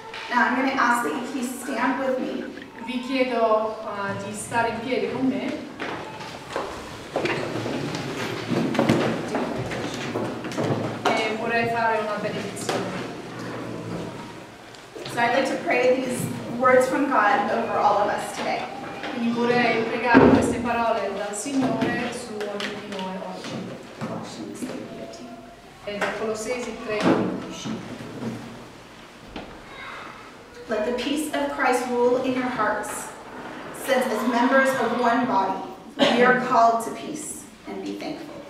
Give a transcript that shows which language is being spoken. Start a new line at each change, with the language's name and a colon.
English: Now I'm going to ask that you please stand with me.
Italian: Vi chiedo di stare in piedi con me. E vorrei fare una benedizione.
English: So I'd like to pray these words from God over all of us today.
Italian: Quindi vorrei pregare queste parole dal Signore su ogni di noi oggi. E da Colossesi 3:15.
English: Let the peace of Christ rule in your hearts, since as members of one body, we are called to peace and be thankful.